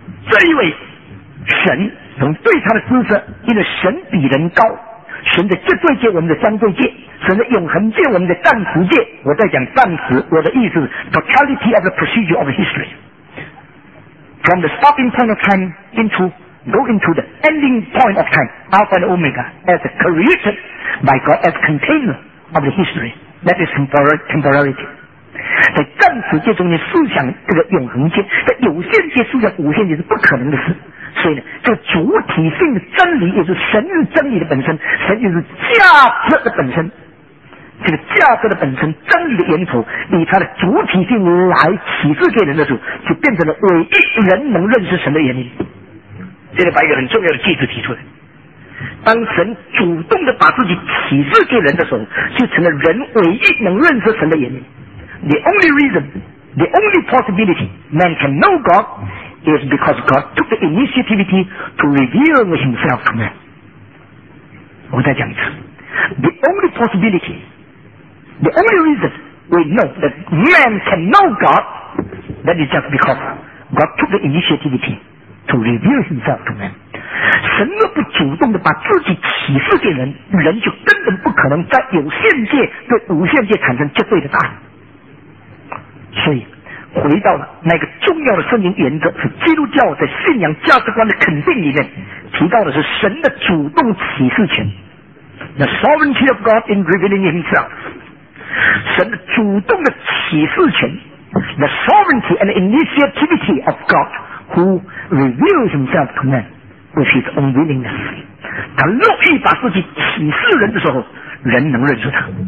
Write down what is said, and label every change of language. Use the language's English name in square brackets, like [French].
[Chinese] 这一位神从对他的姿色，因为神比人高，神的绝对界我们的相对界，神的永恒界我们的暂时界，我在讲暂时，我的意思是 [English] totality of the procedure of history from the starting point of time into go into the ending point of time Alpha and Omega as created by God as container of the history that is temporarity。 [Chinese] 在暂时界中间思想这个永恒界，在有限界思想无限界是不可能的事，所以呢，这个主体性的真理也是神与真理的本身，神就是价值的本身，这个价值的本身真理的源头以它的主体性来启示给人的时候，就变成了唯一人能认识神的原因。这里把一个很重要的句子提出来，当神主动的把自己启示给人的时候，就成了人唯一能认识神的原因。 [English] The only reason, the only possibility man can know God is because God took the initiativity to reveal himself to man. [Chinese] 我再讲一次。 [English] The only possibility, the only reason we know that man can know God, that is just because God took the initiativity to reveal himself to man. [Chinese] 神若不主动地把自己启示给人，人就根本不可能在有限界对无限界产生绝对的答案。所以回到了那个重要的圣经原则，是基督教在信仰价值观的肯定里面提到的是神的主动启示权， [English] The sovereignty of God in revealing himself， [Chinese] 神的主动的启示权， [English] The sovereignty and initiativity of God who reveals himself to man with his own willingness， [Chinese] 他乐意把自己启示人的时候人能认识他。